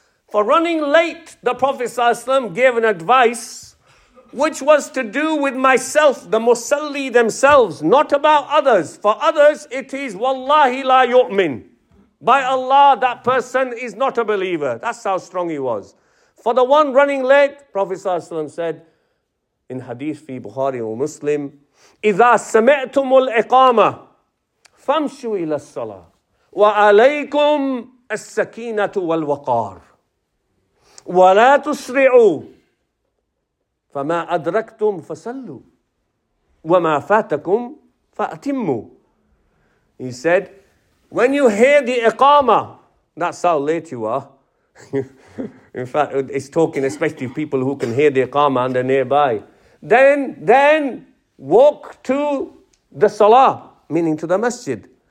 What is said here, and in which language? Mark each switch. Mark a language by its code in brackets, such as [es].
[en] For running late, the Prophet ﷺ gave an advice which was to do with myself, the musalli themselves, not about others. For others, it is wallahi la yu'min. By Allah, that person is not a believer. That's how strong he was. For the one running late, Prophet ﷺ said, in hadith fi Bukhari or Muslim, [ar] إِذَا سَمِعْتُمُ الْإِقَامَةِ فَمْشُوا إِلَى الصَّلَاةِ وَعَلَيْكُمْ السَّكِينَةُ وَالْوَقَارِ وَلَا تُسْرِعُوا فَمَا أَدْرَكْتُمْ فَسَلُّوا وَمَا فَاتَكُمْ فَأَتِمُّوا. [en] He said, when you hear the iqama, that's how late you are. In fact, it's talking especially to people who can hear the iqama and they're nearby. Then walk to the salah, meaning to the masjid.